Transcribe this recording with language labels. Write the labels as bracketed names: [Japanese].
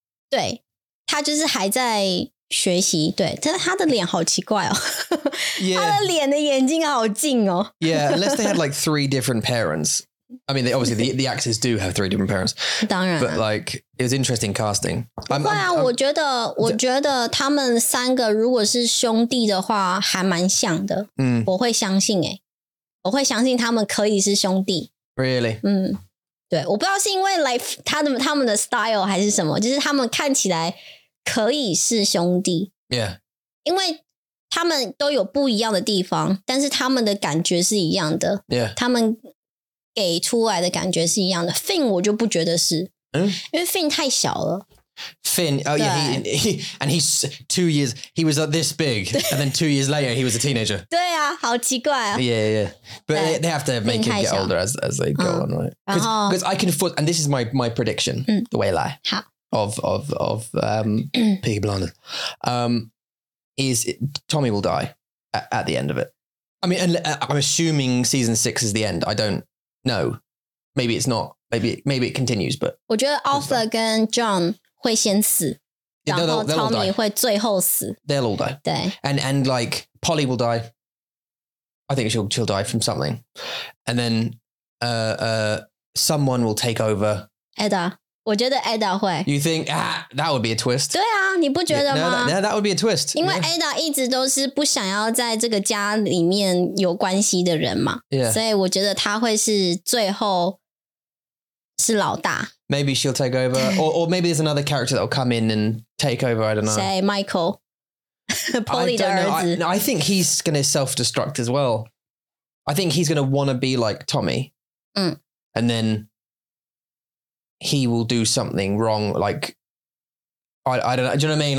[Chinese] 对。他就是还在学习对。他的脸好奇怪哦。 [English] yeah. [Chinese] 他的脸的眼睛好近哦。 [English] yeah, unless they had like three different parents. I mean, they, obviously, the actors do have three different parents. [Chinese] 当然、啊。 [English] But like... It was interesting casting. [Chinese] 不会啊，我觉得他们三个如果是兄弟的话，还蛮像的。嗯，我会相信欸，我会相信他们可以是兄弟。 [English] Really? [Chinese] 嗯，对，我不知道是因为 like 他们的 style 还是什么，就是他们看起来可以是兄弟。 [English] Yeah. [Chinese] 因为他们都有不一样的地方，但是他们的感觉是一样的。 [English] Yeah. [Chinese] 他们给出来的感觉是一样的。 Finn 我就不觉得是。嗯、因为 Finn 太小了 [English] Finn oh yeah he, and he's 2 years he was like this big and then 2 years later he was a teenager [Chinese] 对啊好奇怪啊 [English] yeah but they have to make him get older as they go、on right because I can foot and this is my prediction、the way I lie of Peaky Blinders is Tommy will die at the end of it I mean and I'm assuming season 6 is the end I don't know maybe it's notMaybe it continues, but... [Chinese] 我觉得 Arthur 跟 John 会先死 [English] yeah, [Chinese] 然后 Tommy 会最后死 [English] They'll all die. [Chinese] 对 [English] and like, Polly will die. I think she'll die from something. And then someone will take over. [Chinese] Edda. 我觉得 Edda 会 [English] You think, that would be a twist. [Chinese] 对啊你不觉得吗 [English] yeah, no, that would be a twist. [Chinese] 因为 Edda 一直都是不想要在这个家里面有关系的人嘛 [English] yeah. [Chinese] 所以我觉得他会是最后是老大 [English] Maybe she'll take over or maybe there's another character that'll come in and take over I don't know [Chinese] Say Michael Polly 的儿子 [English] I think he's gonna self-destruct as well I think he's gonna wanna be like Tommy、And then he will do something wrong like I don't know Do you know what I mean?